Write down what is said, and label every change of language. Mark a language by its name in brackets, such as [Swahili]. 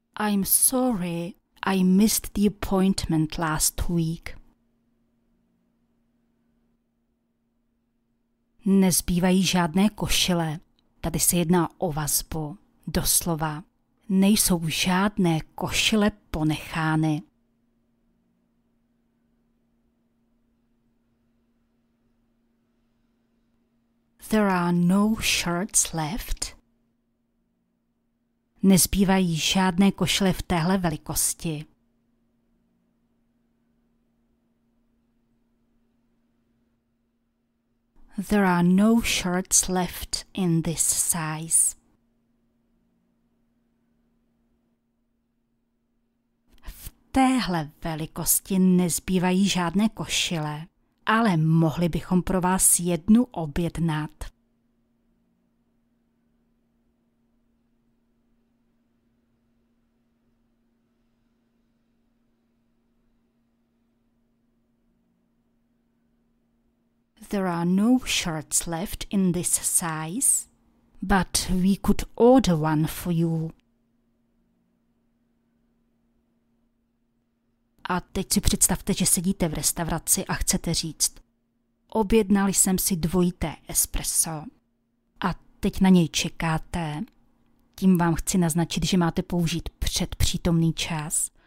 [English] I'm sorry, I missed the appointment last week. [Czech] Nezbývají žádné košile. Tady se jedná o vazbu. Doslova. Nejsou žádné košile ponechány. [English] There are no shirts left. [Czech] Nezbývají žádné košile v téhle velikosti. [English] There are no shirts left in this size. [Czech] V téhle velikosti nezbývají žádné košile, ale mohli bychom pro vás jednu objednat. [English] There are no shirts left in this size, but we could order one for you. [Czech] A teď si představte, že sedíte v restauraci a chcete říct, objednal jsem si dvojité espresso a teď na něj čekáte. Tím vám chci naznačit, že máte použít předpřítomný čas.